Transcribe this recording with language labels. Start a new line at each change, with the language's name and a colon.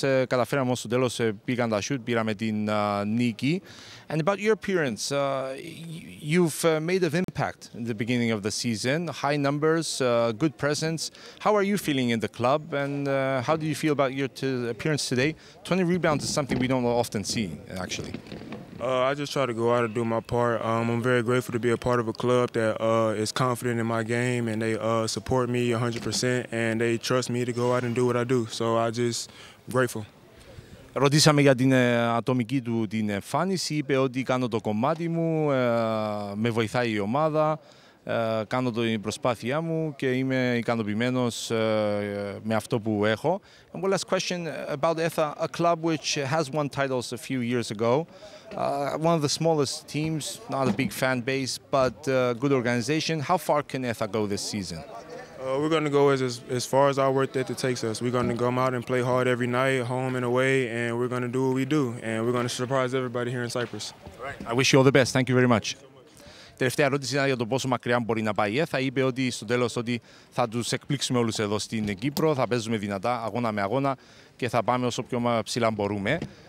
Greek: Καταφέραμε όμως στο τέλος, πήγαν τα shoot, πήραμε την νίκη.
English: And about your appearance, you've made an impact in the beginning of the season. High numbers, good presence. How are you feeling in the club, and how do you feel about your appearance today? 20 rebounds is something we don't often see, actually. I just try to go out and do my part. I'm very grateful to be a part of a club that is confident in my game, and they support me 100%, and they trust me to go out and do what I do. So I just grateful.
Greek: Ρωτήσαμε για την ατομική του την εμφάνιση, είπε ότι κάνω το κομμάτι μου, με βοηθάει η ομάδα, κάνω την προσπάθειά μου και είμαι ικανοποιημένος με αυτό που έχω.
English: And one last question about ETHA, a club which has won titles a few years ago, one of the smallest teams, not a big fan base, but good organization. How far can ETHA go this season? We're going to go as far as our work ethic takes us. We're going to come out and play hard every night, home and away, and we're going to do what we do. And we're going to surprise everybody here in Cyprus. I wish you all the best. Thank you very much.
Greek: Τελευταία ερώτηση ήταν για το πόσο μακριά μπορεί να πάει η ΕΘΑ. Είπε ότι στο τέλος ότι θα τους εκπλήξουμε όλους εδώ στην Κύπρο. Θα παίζουμε δυνατά, αγώνα με αγώνα, και θα πάμε όσο πιο ψηλά μπορούμε.